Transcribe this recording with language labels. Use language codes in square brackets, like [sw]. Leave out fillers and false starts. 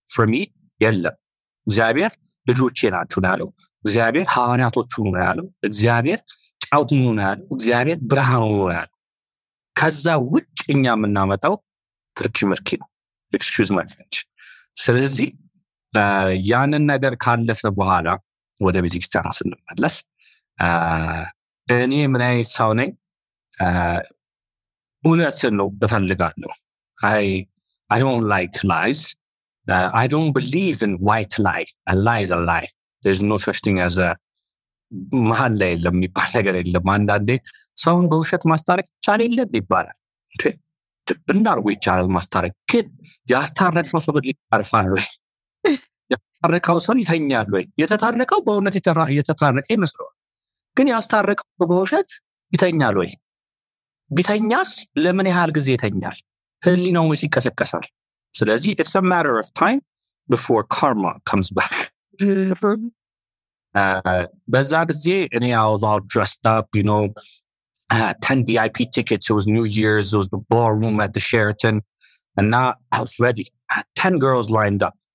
[en] For me, [am] የለም። እግዚአብሔር ልጆቼ ናችሁ ነው ያለው። እግዚአብሔር ሐዋርያቶቹ ነው ያለው። እግዚአብሔር ጫውት ነው ያለው። እግዚአብሔር ብርሃን ነው ያለው። ከዛ ውጭ እኛ የምናመጣው ትርኪ ምርኪ ነው። [en] Excuse my French. [am] ስለዚህ ያንን ነገር ካለፈ በኋላ ወደ ቤተ ክርስቲያን ስንመለስ እኔ ምን አይነት ሰው ነኝ? እውነትን ነው እፈልጋለሁ። [en] I don't like lies. I don't believe in white lie. A lie is a lie. There's no such thing as a [am] መሀል ላይ የለም የሚባል ነገር የለም። አንዳንዴ ሰውን በውሸት ማስታረቅ ይቻል የለም ይባላል። ድብ እንዳርጎ ይቻላል ማስታረቅ ግን ያስታረቅ መሰበድ ሊቀርፋል ወይ ያስታረቀው ሰው ይተኛል ወይ? የተታረቀው በእውነት የተታረቀ ይመስለዋል። ግን ያስታረቀው በውሸት ይተኛል ወይ? ቢተኛስ ለምን ያህል ጊዜ ይተኛል? ህሊናው ወይስ ይከሰከሳል? ስለዚህ [en] it's a matter of time before karma comes back. [am] በዛ ጊዜ እኔ [en] I was all dressed up, you know, had 10 VIP tickets. It was New Year's. It was the ballroom at the Sheraton. And now I was ready. I had 10 girls lined up.